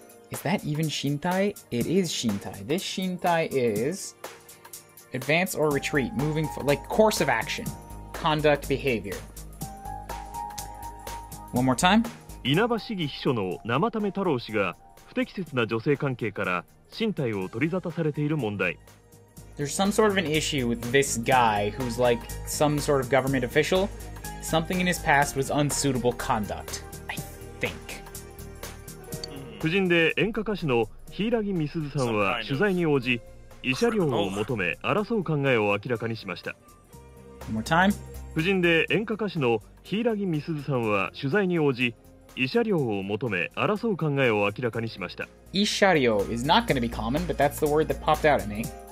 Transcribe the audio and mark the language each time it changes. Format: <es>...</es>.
<en>Is that even shintai? It is shintai. This shintai is advance or retreat, moving for, like course of action, conduct, behavior. One more time.</en> <ja>稲葉市議秘書の生為太郎氏が不適切な女性関係から身体を取り沙汰されている問題。</ja> <en>There's some sort of an issue with this guy who's like some sort of government official. Something in his past was unsuitable conduct, I think.</en> <ja>夫人で演歌歌手のヒイラギ・ミスズさんは取材に応じ、慰謝料を求め争う考えを明らかにしました。</ja> <en>One more time.</en> <ja>夫人で演歌歌手のヒイラギ・ミスズさんは取材に応じ、医者料を求め争う考えを明らかにしました。</ja> <en>医者料 is not going to be common, but that's the word that popped out at me.</en>